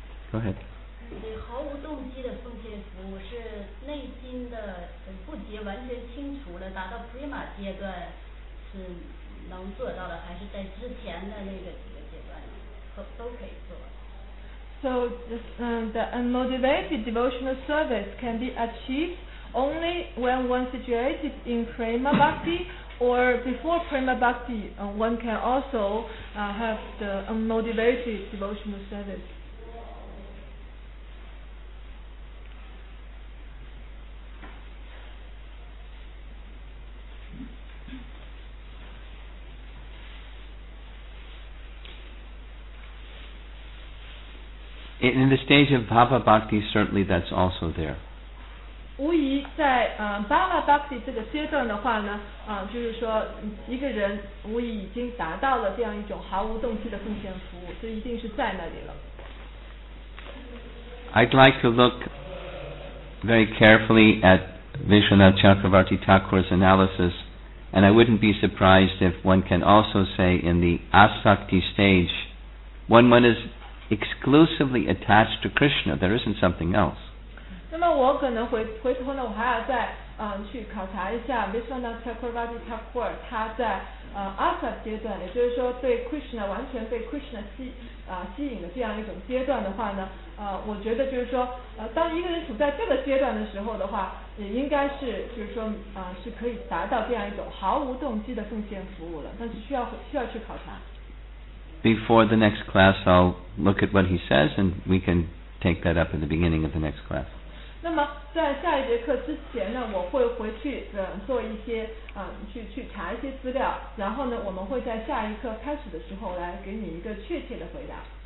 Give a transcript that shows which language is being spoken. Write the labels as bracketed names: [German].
[English] Go ahead. [Chinese] 你毫无动机的奉献服务是内心的不洁完全清除了，达到 prima 阶段是能做到的，还是在之前的那个几个阶段都可以做？ [English] So the unmotivated devotional service can be achieved only when one situated in prema bhakti or before prema bhakti, one can also have the unmotivated devotional service. In the stage of Bhava Bhakti, certainly that's also there. [Chinese] 无疑在Bhava Bhakti 这个阶段的话呢，就是说一个人无疑已经达到了这样一种毫无动机的奉献服务，这一定是在那里了。 [English] I'd like to look very carefully at Vishwanath Chakravarti Thakur's analysis, and I wouldn't be surprised if one can also say in the Asakti stage, when one is exclusively attached to Krishna, there isn't something else. [Chinese] 那么我可能回头呢，我还要再去考察一下 Vishwanath Chakravarti Thakur 他在Asat 阶段，也就是说对 Krishna 完全被 Krishna 吸引的这样一种阶段的话呢，我觉得就是说当一个人处在这个阶段的时候的话，也应该是就是说是可以达到这样一种毫无动机的奉献服务了，但是需要去考察。 [English] Before the next class, I'll look at what he says, and we can take that up in the beginning of the next class. [Chinese] 那么在下一节课之前呢，我会回去做一些去查一些资料，然后呢，我们会在下一课开始的时候来给你一个确切的回答。